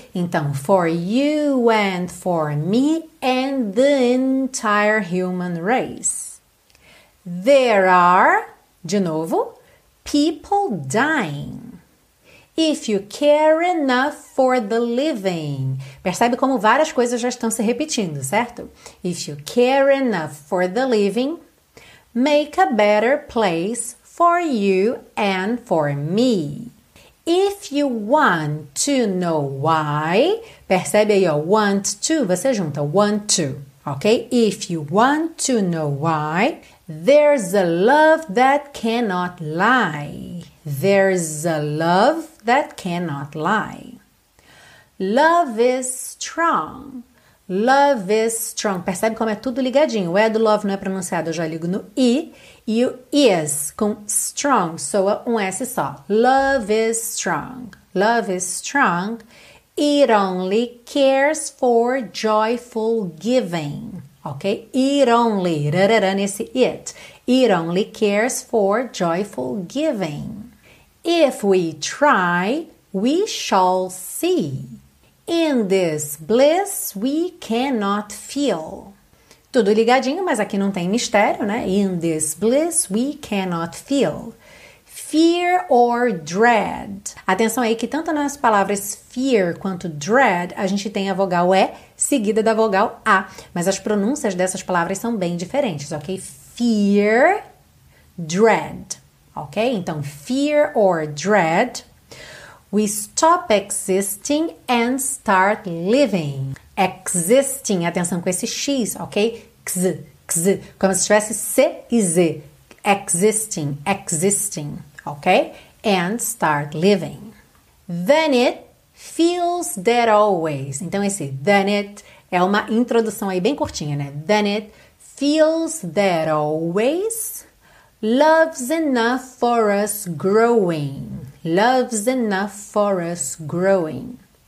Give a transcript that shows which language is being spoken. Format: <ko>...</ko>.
<en>Então, for you and for me and the entire human race. There are, de novo, people dying. If you care enough for the living.</en> <pt>Percebe como várias coisas já estão se repetindo, certo?</pt> <en>If you care enough for the living, make a better place for you and for me. If you want to know why, percebe aí, ó, want to, você junta want to, ok? If you want to know why, there's a love that cannot lie. There's a love that cannot lie. Love is strong. Love is strong.</en> <pt>Percebe como é tudo ligadinho. O é do love não é pronunciado, eu já ligo no I. E o is com strong soa um S só.</pt> <en>Love is strong. Love is strong. It only cares for joyful giving. Ok? It only. Rarara nesse it. It only cares for joyful giving. If we try, we shall see. In this bliss, we cannot feel.</en> <pt>Tudo ligadinho, mas aqui não tem mistério, né? In this bliss, we cannot feel. fear or dread. Atenção aí que tanto nas palavras fear quanto dread, a gente tem a vogal E seguida da vogal A. Mas as pronúncias dessas palavras são bem diferentes, ok?</pt> <en>Fear, dread, ok? Então, fear or dread. We stop existing and start living.</en> <pt>Existing, atenção com esse X, ok? X, X, como se tivesse C e Z. Existing, existing, ok?</pt> <en>And start living. Then it feels dead always.</en> <pt>Então, esse then it é uma introdução aí bem curtinha, né?</pt> <en>Then it feels dead always. Love's enough for us growing. Love's enough for us growing.</en>